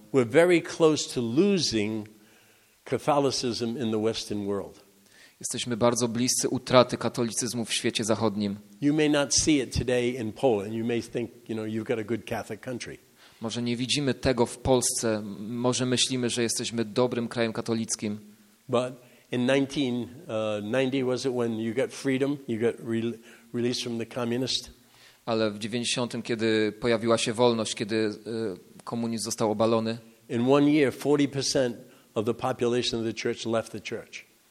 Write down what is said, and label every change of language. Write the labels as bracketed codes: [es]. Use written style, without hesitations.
[en] We're very close to losing Catholicism in the Western world. [pl] Jesteśmy bardzo bliscy utraty katolicyzmu w świecie zachodnim. [en] You may not see it today in Poland. You may think, you know, you've got a good Catholic country. [pl] Może nie widzimy tego w Polsce. Może myślimy, że jesteśmy dobrym krajem katolickim. [en] But in 1990 was it when you got freedom? You got released from the communist. [pl] Ale w 90, kiedy pojawiła się wolność, kiedy komunizm został obalony. [en] In one year 40% of the population of the church left the church.